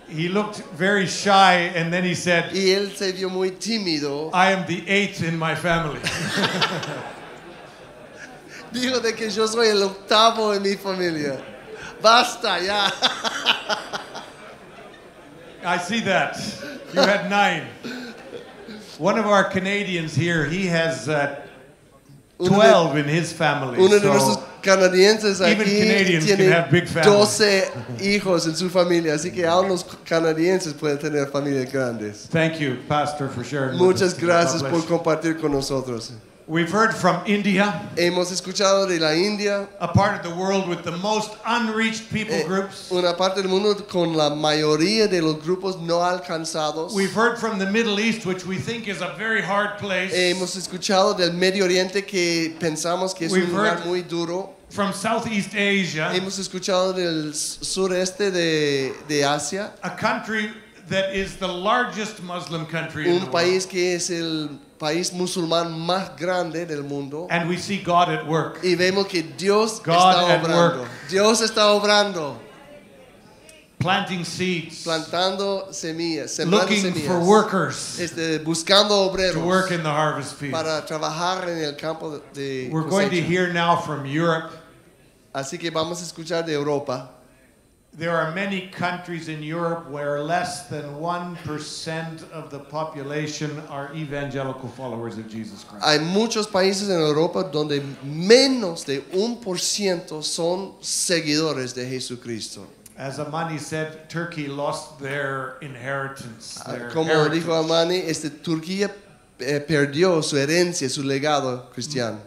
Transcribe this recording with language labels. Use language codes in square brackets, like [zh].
[en] He looked very shy and then he said, [es] y él se vio muy tímido, [en] "I am the eighth in my family." [es] Dijo de que yo soy el octavo en mi familia. Basta ya. [en] I see that. You had nine. One of our Canadians here, he has 12 in his family. [es] Uno de nuestros canadienses aquí tiene 12 hijos en su familia, así que aún los canadienses pueden tener familias grandes. [en] Thank you, Pastor, for sharing. [es] Muchas gracias por compartir con nosotros. [en] We've heard from India. [es] Hemos escuchado de la India. [en] A part of the world with the most unreached people groups. [es] Una parte del mundo con la mayoría de los grupos no alcanzados. [en] We've heard from the Middle East, which we think is a very hard place. [es] Hemos escuchado del Medio Oriente que pensamos que es un lugar muy duro. [en] From Southeast Asia. [es] Hemos escuchado del sureste de Asia. [en] A country that is the largest Muslim country in the world. [es] País musulmán más grande del mundo. [en] And we see God at work. [es] Y vemos que Dios God está obrando. Work. Dios está obrando. [en] Planting seeds. [es] Plantando semillas. [en] Looking [es] semillas. [en] For workers. [es] Buscando obreros. [en] To work in the harvest field. [es] Para trabajar en el campo de cosecha. [en] We're going to hear now from Europe. [es] Así que vamos a escuchar de Europa. [en] There are many countries in Europe where less than 1% of the population are evangelical followers of Jesus Christ. [es] Hay muchos países en Europa donde menos de 1% son seguidores de Jesucristo. [en] As Amani said, Turkey lost their inheritance. [es] Como dijo Amani, Turquía perdió su herencia, su legado cristiano.